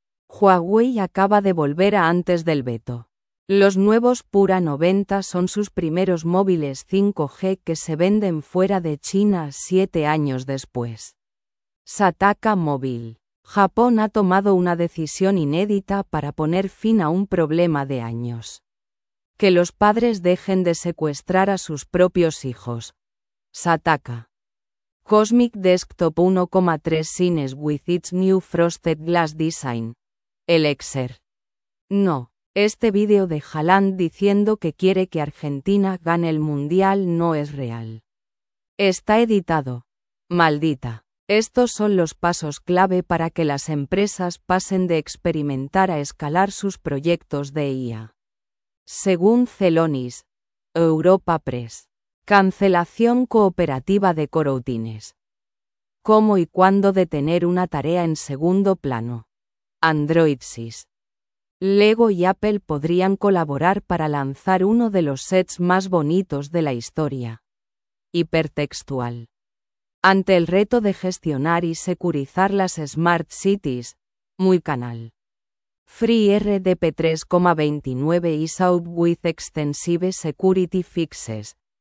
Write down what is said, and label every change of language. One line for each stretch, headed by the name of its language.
Spanish: Huawei acaba de volver a antes del veto. Los nuevos Pura 90 son sus primeros móviles 5G que se venden fuera de China 7 años después. Sataka Móvil. Japón ha tomado una decisión inédita para poner fin a un problema de años. Que los padres dejen de secuestrar a sus propios hijos. Sataka.
English: Cosmic Desktop 1.3 Scenes with its new Frosted Glass Design. Elixir. No.
Spanish: Este vídeo de Haaland diciendo que quiere que Argentina gane el Mundial no es real. Está editado. Maldita. Estos son los pasos clave para que las empresas pasen de experimentar a escalar sus proyectos de IA. Según Celonis, Europa Press. Cancelación cooperativa de coroutines. ¿Cómo y cuándo detener una tarea en segundo plano? Androidsis. Lego y Apple podrían colaborar para lanzar uno de los sets más bonitos de la historia. Hipertextual. Ante el reto de gestionar y securizar las Smart Cities, muy canal.
English: Free RDP 3.29 is out with extensive security fixes.